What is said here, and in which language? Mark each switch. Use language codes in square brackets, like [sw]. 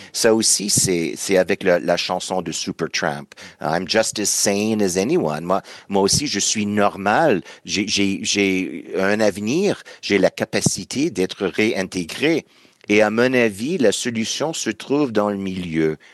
[fr] Ça aussi, c'est avec la chanson de Supertramp. [en] I'm just as sane as anyone. [fr] Moi aussi, je suis normal. J'ai un avenir. J'ai la capacité d'être réintégré. Et à mon avis, la solution se trouve dans le milieu.